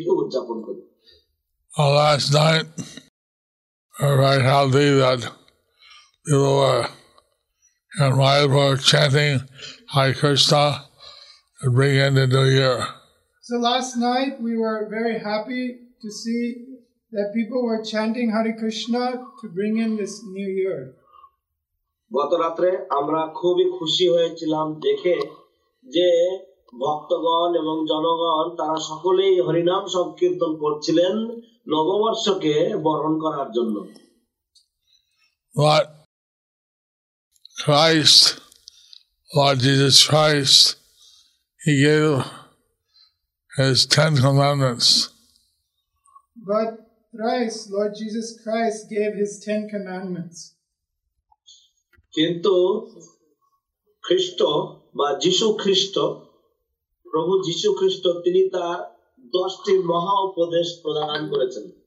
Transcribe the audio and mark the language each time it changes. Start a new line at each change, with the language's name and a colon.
English: Well, last night, we were very happy that people were in Mayapur chanting Hare Krishna to bring in the New Year. So last night, we were very happy to see that people were chanting Hare Krishna to bring in this New Year.
Bangla: গত রাতে আমরা খুবই খুশি হয়েছিলাম দেখে যে ভক্তগণ এবং জনগণ তারা সকলেই হরিনাম সংকীর্তন করছিলেন নববর্ষকে বরণ করার জন্য।
English: But Christ, Lord Jesus Christ, He gave His Ten Commandments. But Christ, Lord Jesus Christ, gave His Ten Commandments.
Bangla: কিন্তু খ্রিস্ট বা যীশু খ্রিস্ট প্রভু যীশু খ্রিস্ট তিনি তার দশটি মহা উপদেশ প্রদান করেছেন।